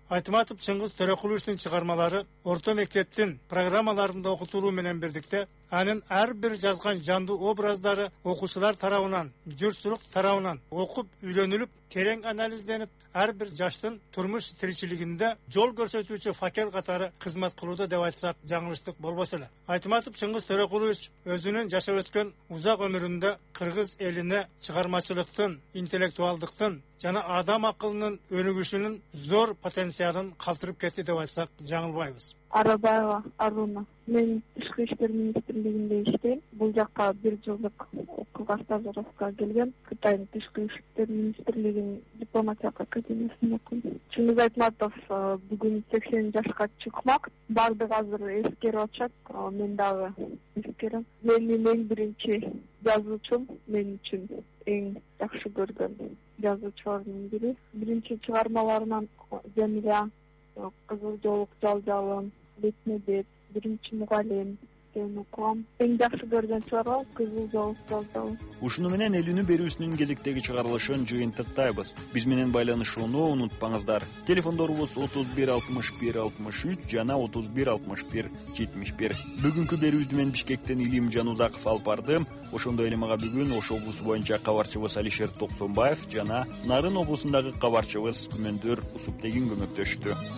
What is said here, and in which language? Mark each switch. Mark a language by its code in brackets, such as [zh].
[ky] Айтматов Чыңгыз Төрөкуловичтин чыгармалары орто мектептин программаларында окутулуу менен бирдикте анын ар бир жазган жандуу образдары окуучулар тарабынан, жүрчүлүк тарабынан окуп үйрөнүлүп, терең анализденип, ар бир жаштын турмуш тиричилигинде жол көрсөтүүчү факел катары кызмат кылууда деп айтсак жаңылыштык болбосо эле. Айтматов Чыңгыз Төрөкулович өзүнүн жашап өткөн узак өмүрүндө кыргыз элине чыгармачылыктын, интеллектуалдыктын жана адам акылынын өнүгүшүнүн зор потенциалын калтырып кетти деп айтсак жаңылбайбыз. Арабаева Аруна. [kk] Мен ішкі іштер министрлігінде іштейм. Бұл жаққа бір жылдық оқуға стажировка келген. Қытайдың ішкі іштер министрлігінің дипломатиялық академиясында оқыдым. Чыңгыз Айтматов бүгін 80 жасқа шықмақ. Барлығы қазір ескеріп отырады. Мен дағы ескерем. Менің ең бірінші жазушым, мен үшін ең жақсы көрген жазушылардың бірі. Бірінші шығармаларынан Жәмиля, Қызыл жолық жалжалым, Бетме-бет, Бірінші мұғалім деген оқығам. Ең жақсы көрген шығарма Қызыл жолық жалжалым. [ky] Ушуну менен элүүнү берүүсүнүн кезектеги чыгарылышын жыйынтыктайбыз. Биз менен байланышууну унутпаңыздар. Телефондорубуз 31-61-63 жана 31-61-71. Бүгүнкү берүүбүздү мен Бишкектен Илим Жанузаков алып бардым. Ошондой эле мага бүгүн Ош облусу боюнча кабарчыбыз Алишер Токсонбаев жана Нарын облусундагы кабарчыбыз Күмөндөр Усуптегин көмөктөштү.